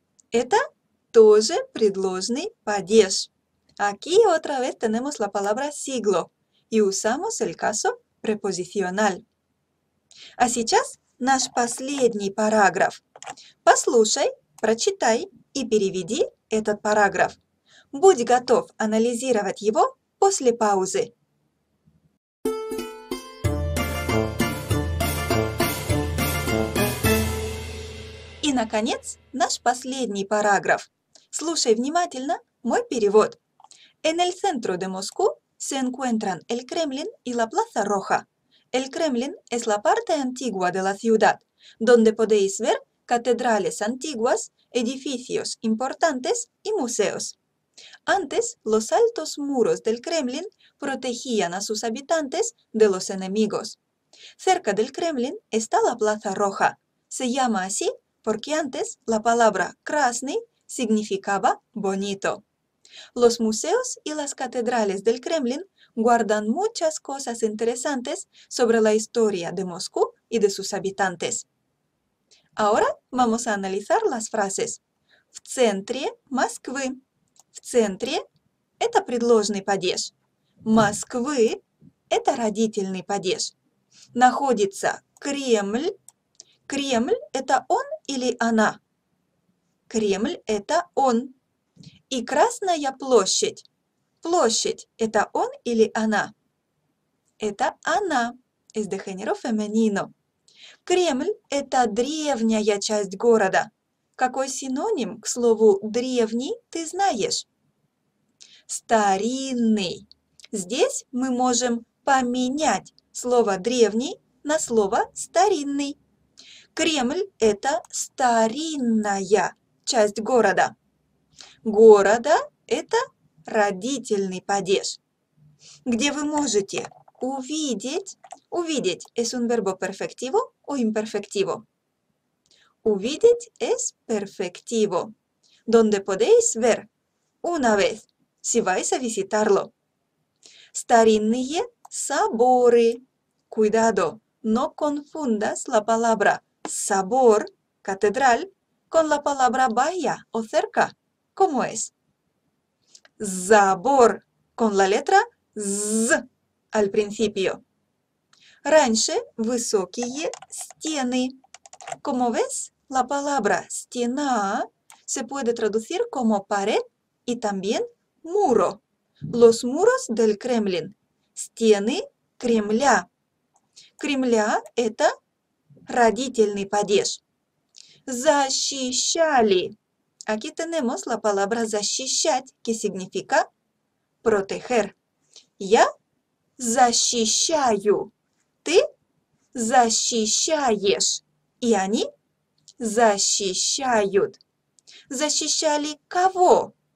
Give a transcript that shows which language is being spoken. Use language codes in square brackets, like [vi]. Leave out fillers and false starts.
[ru] Это тоже предложный падеж. [es] Aquí otra vez tenemos la palabra siglo. Y usamos el caso preposicional. [ru] А сейчас наш последний параграф. Послушай, прочитай и переведи этот параграф. Будь готов анализировать его после паузы. И, наконец, наш последний параграф. Слушай внимательно мой перевод. [es] En el centro de Moscú se encuentran el Kremlin y la Plaza Roja. El Kremlin es la parte antigua de la ciudad, donde podéis ver catedrales antiguas, edificios importantes y museos. Antes, los altos muros del Kremlin protegían a sus habitantes de los enemigos. Cerca del Kremlin está la Plaza Roja. Se llama así porque antes la palabra «красный» significaba «bonito». Los museos y las catedrales del Kremlin guardan muchas cosas interesantes sobre la historia de Moscú y de sus habitantes. Ahora vamos a analizar las frases. [ru] В центре Москвы. В центре – это предложный падеж. Москвы – это родительный падеж. Находится Кремль. Кремль – это он или она? Кремль – это он. И Красная площадь. Площадь – это он или она? Это она. [es] Es de género femenino. [ru] Кремль – это древняя часть города. Какой синоним к слову «древний» ты знаешь? Старинный. Здесь мы можем поменять слово «древний» на слово «старинный». Кремль – это старинная часть города. Города – это родительный падеж, где вы можете увидеть – [es] es un verbo perfectivo o imperfectivo. Увидеть – es perfectivo. Donde podéis ver – una vez, si vais a visitarlo. [ru] Старинные соборы. [es] Cuidado, no confundas la palabra «собор», «катедраль» con la palabra «bahía» o «cerca». ¿Cómo es? «Забор» con la letra «з» al principio. [ru] Раньше «высокие стены». [es] Como ves, la palabra «стена» se puede traducir como «pared» y también «muro». Los muros del Kremlin. [ru] «Стены Кремля». «Кремля» – это родительный падеж. Защищали. [es] Aquí tenemos la palabra защищать, que significa proteger. [ru] Я защищаю. Ты защищаешь. И они защищают. Защищали кого?